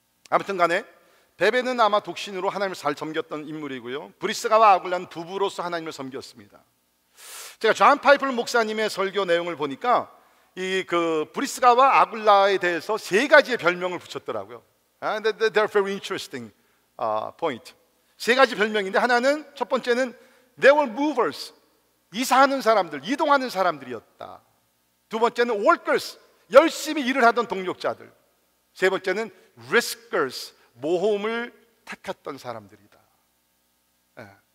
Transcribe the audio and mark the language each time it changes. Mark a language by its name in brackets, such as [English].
[Korean] 아무튼 간에 베베는 아마 독신으로 하나님을 잘 섬겼던 인물이고요. 브리스가와 아굴라는 부부로서 하나님을 섬겼습니다. 제가 존 파이플 목사님의 설교 내용을 보니까 이 그 브리스가와 아굴라에 대해서 세 가지의 별명을 붙였더라고요. [English] And they're very interesting point. [Korean] 세 가지 별명인데 하나는 첫 번째는 [English] they were movers, [Korean] 이사하는 사람들, 이동하는 사람들이었다. 두 번째는 workers, 열심히 일을 하던 동력자들. 세 번째는 riskers, 모험을 택했던 사람들이다. 예.